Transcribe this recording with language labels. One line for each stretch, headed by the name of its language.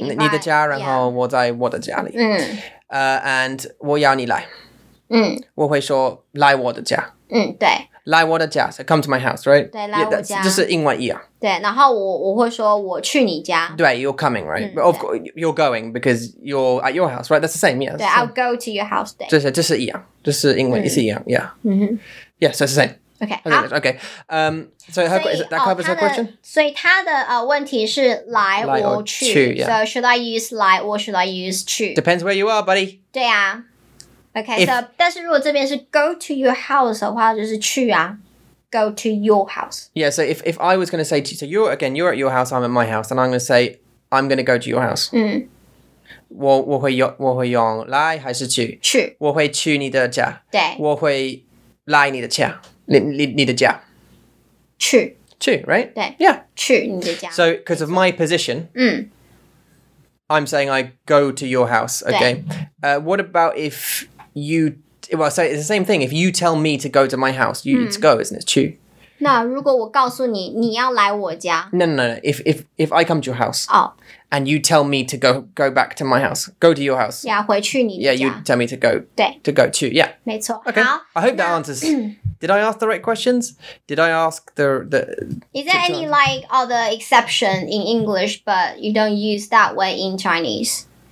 Chinese: 你的家然后我在我的家里。
English: And
Chinese: 我要你来。我会说来我的家。对。来我的家
English: so come to my house, right?
Chinese: 对，来我家。
English: Yeah,
Chinese: 就是英文一样。对，然后我会说我去你家。对
English: ，you're coming, right? But of course, you're going because you're at your house, right? That's the same, yeah.
Chinese: 对
English: so, ，I'll go to your house. 对，
Chinese: 就是一样，就是英文也是一样
English: ，yeah. Yeah, so it's the same. Okay. So her, is that covers her question?
Chinese: 所以他的问题是来我去
English: yeah. So should I use 来 or should I use 去 Depends where you are, buddy.
Chinese: 对啊。
English: Okay, so,
Chinese: 但是如果这边是
English: go to your house
Chinese: 的话，就是去啊
English: ，go to your house. Yeah, so if I was going to say to you, so you're again, you're at your house, I'm at my house, and I'm going to say I'm going to go to your house.
Chinese: 我会用来还是去？去。我会去你的家。对。我会来你的家，你的家。去。去 ，
English: right?
Chinese: 对。
English: Yeah.
Chinese: 去你的家。
English: So, because of my position. I'm saying I go to your house, okay? What about if you... Well, so it's the same thing. If you tell me to go to my house, it's go, isn't it?
Chinese: 去. 那如果我告诉你,你要来我家?
English: No. If I come to your house, oh. and you tell me to go back to my house, go to your house. Yeah,
Chinese: 回去你家。
English: Yeah, you tell me to go.
Chinese: 对。
English: To go to, yeah.
Chinese: 没错。
English: Okay,
Chinese: 好,
English: I hope that answers... Did I ask the right questions? Did I ask the Is there any like other exception in English but you don't use that way in Chinese?